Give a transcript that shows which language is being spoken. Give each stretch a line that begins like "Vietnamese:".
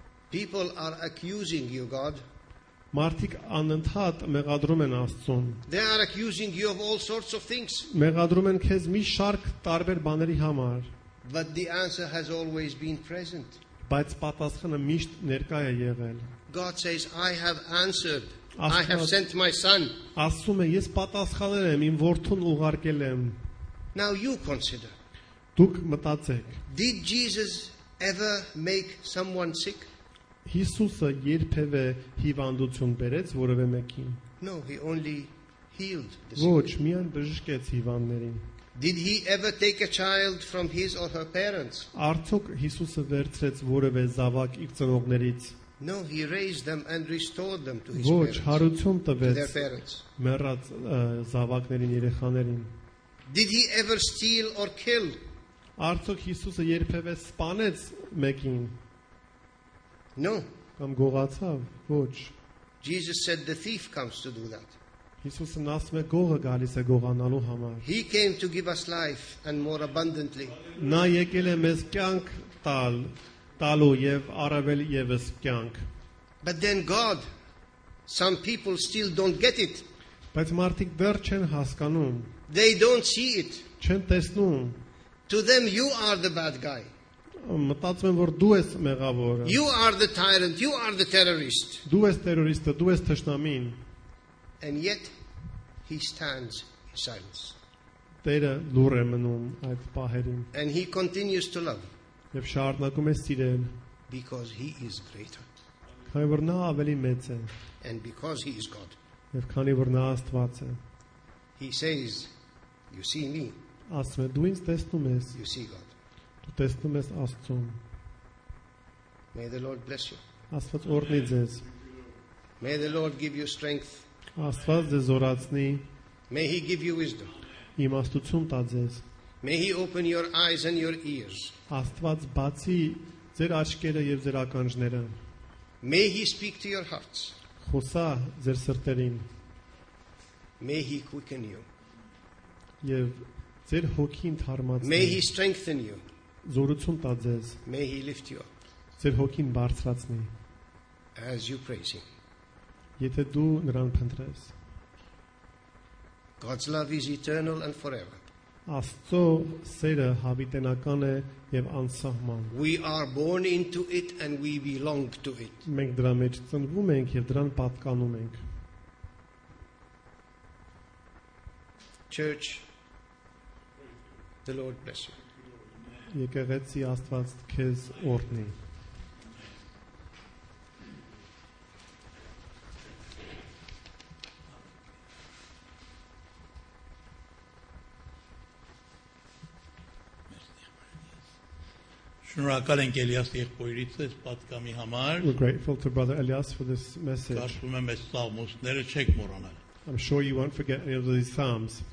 English: People are accusing you, God.
Armenian: Մարդիկ անընդհատ մեղադրում են Աստծուն։
English: They are accusing you of all sorts of things.
Armenian: Մեղադրում են քեզ մի շարք տարբեր բաների համար։
English: But the answer has always been present.
Armenian: Բայց պատասխանը միշտ ներկա է եղել։
English: God says, I have answered. I have sent my son.
Armenian: Աստծուն է, ես պատասխանել եմ, իմ որդուն ուղարկել եմ։
English: Now you consider.
Armenian: Դուք մտածեք։
English: Did Jesus ever make someone sick?
Armenian: Հիսուսը երբևէ հիվանդություն բերեց որևէ մեկին։
English: No, he only healed the sick.
Armenian: Ոչ, միայն բժշկեց հիվանդներին։
English: Did he ever take a child from his or her parents?
Armenian: Արդյոք Հիսուսը վերցրեց որևէ զավակ իր ծնողներից։
English: No, he raised them and restored them to his parents.
Armenian: Ոչ, հարություն տվեց մեռած զավակներին, երեխաներին։
English: Did he ever steal or kill?
Armenian: Արդյոք Հիսուսը երբևէ սպանեց մեկին։
English: No.
Armenian: Կամ գողացավ։ Ոչ։
English: Jesus said the thief comes to do that.
Armenian: Հիսուսը նաստ մեր գողը գալիս է գողանալու համար.
English: He came to give us life and more abundantly.
Armenian: Նա եկել է մեզ կյանք տալ, տալու եւ առավել եւս կյանք.
English: But then God, some people still don't get it.
Armenian: Բայց մարդիկ վերջ են հասկանում.
English: They don't see it.
Armenian: Չեն տեսնում.
English: To them you are the bad guy.
Armenian: Մտածում եմ որ դու ես մեղավորը.
English: You are the tyrant, you are the terrorist.
Armenian: Դու ես տերորիստը, դու ես թշնամին.
English: And yet he stands in silence.
Armenian: Տերը լուր է մնում այդ պահերին.
English: And he continues to love.
Armenian: Եվ շարունակում է սիրել.
English: Because he is greater.
Armenian: Քանի որ նա ավելի մեծ է.
English: And because he is God.
Armenian: Եվ քանի որ նա Աստված է.
English: He says, you see me.
Armenian: Աստծո, դու ինձ տեսնում ես.
English: You see God.
Armenian: Դու տեսնում ես Աստծո։
English: May the Lord bless you.
Armenian: Աստված օրհնի ձեզ։
English: May the Lord give you strength.
Armenian: Աստված ձեզ զորացնի։
English: May he give you wisdom.
Armenian: Իմաստություն տա ձեզ։
English: May he open your eyes and your ears.
Armenian: Աստված բացի ձեր աչքերը եւ ձեր ականջները։
English: May he speak to your hearts.
Armenian: Խոսա ձեր սրտերին։
English: May he quicken you.
Armenian: Եվ ձեր հոգին թարմացնի։
English: May he strengthen you.
Armenian: Զորություն տա ձեզ։
English: May he lift you up.
Armenian: Ձեր հոգին բարձրացնի։
English: As you praise him.
Armenian: Եթե դու նրան փնտրես։
English: God's love is eternal and forever.
Armenian: Աստծո սերը հավիտենական է եւ անսահման։
English: We are born into it and we belong to it.
Armenian: Մենք դրա մեջ ծնվում ենք եւ դրան պատկանում ենք։
English: Church, the Lord bless you.
Armenian: Եկեղեցի Աստված քեզ օրհնի։ Շնորհակալ ենք Էլիաս եղբայրիցս այս պատգամի համար։
English: We're grateful to Brother Elias for this message.
Armenian: Կարծում եմ այս ծաղմոսները չեք մոռանալ։
English: I'm sure you won't forget any of these psalms.